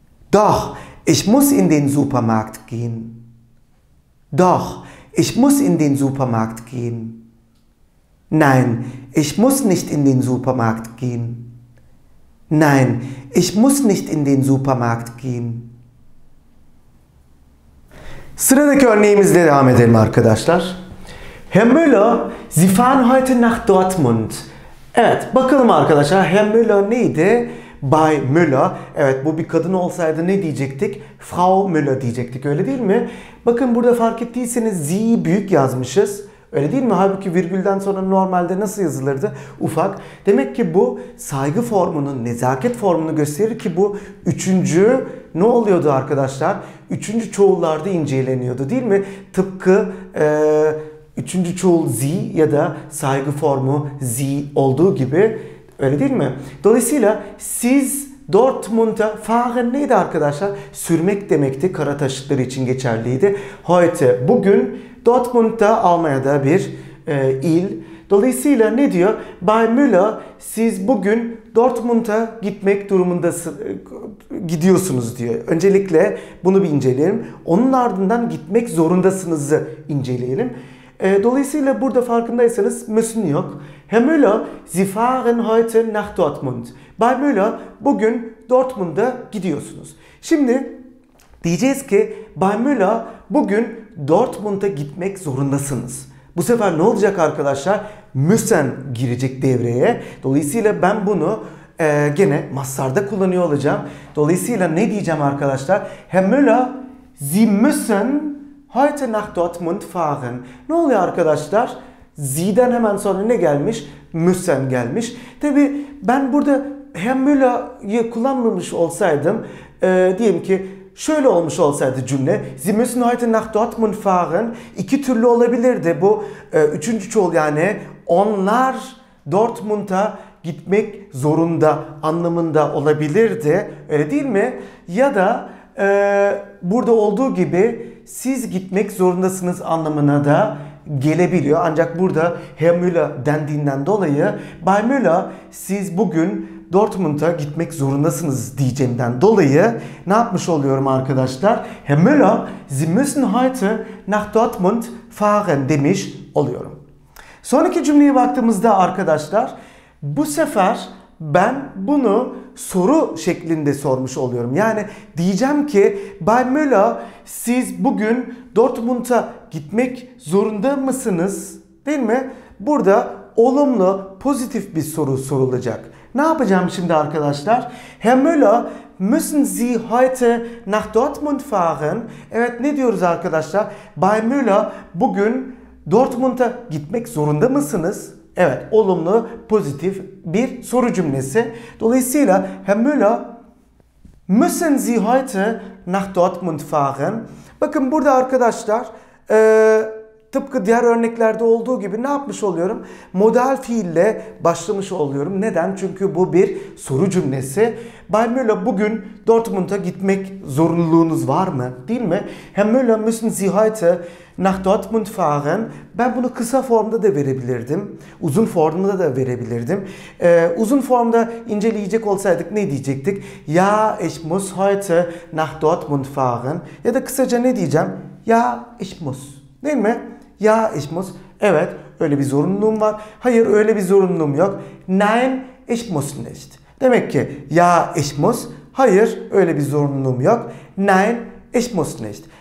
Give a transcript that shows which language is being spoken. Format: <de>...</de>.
<de>Doch, ich muss in den Supermarkt gehen. Doch, ich muss in den Supermarkt gehen. Nein, ich muss nicht in den Supermarkt gehen. Nein, ich muss nicht in den Supermarkt gehen.</de> <tr>Sıradaki örneğimizle devam edelim arkadaşlar.</tr> <de>Herr Müller, Sie fahren heute nach Dortmund.</de> <tr>Evet, bakalım arkadaşlar. Herr Müller neydi? Bay Müller. Evet, bu bir kadın olsaydı ne diyecektik? Frau Müller diyecektik, öyle değil mi? Bakın burada fark ettiyseniz Sie büyük yazmışız. Öyle değil mi? Halbuki virgülden sonra normalde nasıl yazılırdı? Ufak. Demek ki bu saygı formunun, nezaket formunu gösterir ki bu üçüncü ne oluyordu arkadaşlar? Üçüncü çoğullarda inceleniyordu değil mi? Tıpkı üçüncü çoğul Z ya da saygı formu Z olduğu gibi. Öyle değil mi? Dolayısıyla siz Dortmund'a fahren neydi arkadaşlar? Sürmek demekti. Kara taşıtları için geçerliydi. Heute, bugün Dortmund'da, Almanya'da bir il. Dolayısıyla ne diyor? Bay Müller, siz bugün Dortmund'a gitmek durumunda gidiyorsunuz diyor. Öncelikle bunu bir inceleyelim. Onun ardından gitmek zorundasınızı inceleyelim. Dolayısıyla burada farkındaysanız müssen yok.</tr> <de>Herr Müller, Sie fahren heute nach Dortmund.</de> <tr>Bay Müller, bugün Dortmund'a gidiyorsunuz. Şimdi diyeceğiz ki Bay Müller, bugün Dortmund'a gitmek zorundasınız. Bu sefer ne olacak arkadaşlar? Müssen girecek devreye. Dolayısıyla ben bunu gene Masar'da kullanıyor olacağım. Dolayısıyla ne diyeceğim arkadaşlar?</tr> <de>Herr Müller, Sie müssen heute nach Dortmund fahren.</de> <tr>Ne oluyor arkadaşlar? Sie'den hemen sonra ne gelmiş? Müssen gelmiş. Tabi ben burada Herr Müller'ı kullanmamış olsaydım, diyelim ki şöyle olmuş olsaydı cümle.</tr> <de>Sie müssen heute nach Dortmund fahren.</de> <tr>İki türlü olabilirdi. Bu üçüncü çoğul, yani onlar Dortmund'a gitmek zorunda anlamında olabilirdi. Öyle değil mi? Ya da burada olduğu gibi siz gitmek zorundasınız anlamına da gelebiliyor. Ancak burada Herr Müller dendiğinden dolayı, Bay Müller, siz bugün Dortmund'a gitmek zorundasınız diyeceğimden dolayı ne yapmış oluyorum arkadaşlar?</tr> <de>Herr Müller, Sie müssen heute nach Dortmund fahren</de> <tr>demiş oluyorum. Sonraki cümleye baktığımızda arkadaşlar, bu sefer ben bunu soru şeklinde sormuş oluyorum. Yani diyeceğim ki, Bay Müller, siz bugün Dortmund'a gitmek zorunda mısınız? Değil mi? Burada olumlu, pozitif bir soru sorulacak. Ne yapacağım şimdi arkadaşlar?</tr> <de>Herr Müller, müssen Sie heute nach Dortmund fahren?</de> <tr>Evet, ne diyoruz arkadaşlar? Bay Müller, bugün Dortmund'a gitmek zorunda mısınız? Evet, olumlu, pozitif bir soru cümlesi. Dolayısıyla</tr> <de>Herr Müller, müssen Sie heute nach Dortmund fahren?</de> <tr>Bakın burada arkadaşlar, tıpkı diğer örneklerde olduğu gibi ne yapmış oluyorum? Modal fiille başlamış oluyorum. Neden? Çünkü bu bir soru cümlesi. Bay Müller, bugün Dortmund'a gitmek zorunluluğunuz var mı? Değil mi?</tr> <de>Herr Müller, müssen Sie heute nach Dortmund fahren?</de> <tr>Ben bunu kısa formda da verebilirdim. Uzun formda da verebilirdim. Uzun formda inceleyecek olsaydık ne diyecektik?</tr> <de>Ja, ich muss heute nach Dortmund fahren.</de> <tr>Ya da kısaca ne diyeceğim?</tr> <de>Ja, ich muss.</de> <tr>Değil mi?</tr> <de>Ja, ich muss.</de> <tr>Evet, öyle bir zorunluluğum var. Hayır, öyle bir zorunluluğum yok.</tr> <de>Nein, ich muss nicht.</de> <tr>Demek ki</tr> <de>ja, ich muss.</de> <tr>Hayır, öyle bir zorunluluğum yok.</tr> <de>Nein, ich muss nicht.</de>